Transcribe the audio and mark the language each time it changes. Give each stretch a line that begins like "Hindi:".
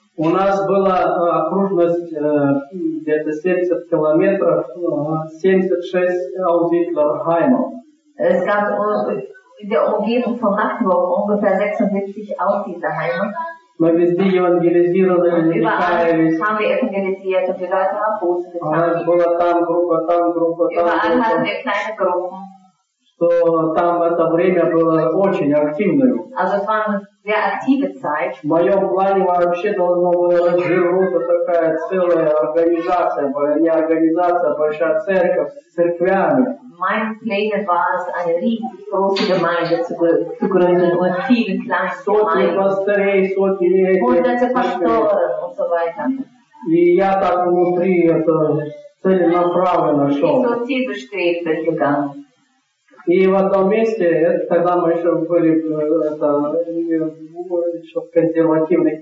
Russian: У нас была окружность где-то 70 километров, 76 Auditlerheimer.
German: Es gab in der Umgebung von Magdeburg ungefähr 76 Auditlerheimer.
Russian: Мы везде евангелизировали, не каялись. У нас была там группа, там группа, там группа. Что там в это время было очень активное. В моем плане вообще должно было развернуться такая целая организация, не организация, а большая церковь с церквями.
German: Mein Plan war es, eine riesig große Gemeinde zu gründen und viele kleine Gemeinden. Hunderte Pastoren und so weiter.
Russian: И я так внутри это целенаправленно шел.
German: Ich so ziel bestrebt bin gegangen.
Russian: И в одном месте, это когда мы еще были это, еще в консервативных